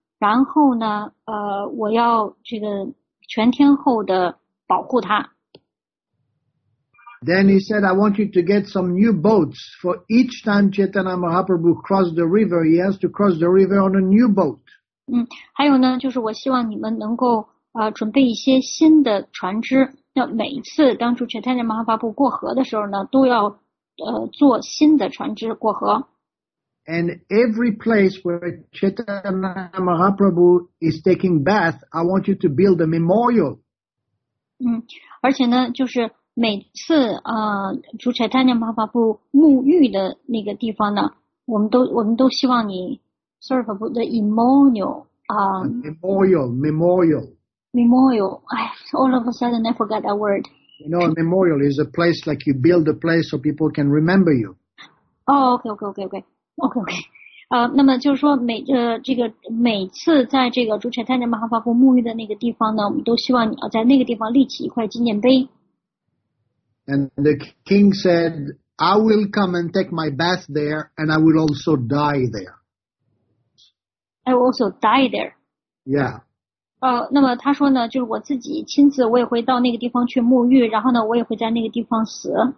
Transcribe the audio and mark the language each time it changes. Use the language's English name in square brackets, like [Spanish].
[Chinese] 然后呢，我要这个全天候的保护他。 [English] Then he said, I want you to get some new boats for each time Chaitanya Mahaprabhu crossed the river. He has to cross the river on a new boat. [Chinese] 还有呢，就是我希望你们能够准备一些新的船只。那每一次当初 Chaitanya Mahaprabhu 过河的时候呢，都要坐新的船只过河。 [English] And every place where Chaitanya Mahaprabhu is taking bath, I want you to build a memorial. [Chinese] 而且呢，就是每次主 Chaitanya Mahaprabhu 沐浴的那个地方呢，我们都希望你 [English] serve the memorial [Chinese] 啊 [English] memorial. I all of a sudden I forgot that word. You know, a memorial is a place like you build a place so people can remember you. Oh, okay. [Chinese] 那么就是说每次在这个主 Chaitanya Mahaprabhu 沐浴的那个地方呢，我们都希望你要在那个地方立起一块纪念碑。 [English] And the king said, I will come and take my bath there, and I will also die there. I will also die there. Yeah. [Chinese] 那么他说呢，就是我自己亲自，我也会到那个地方去沐浴，然后呢，我也会在那个地方死。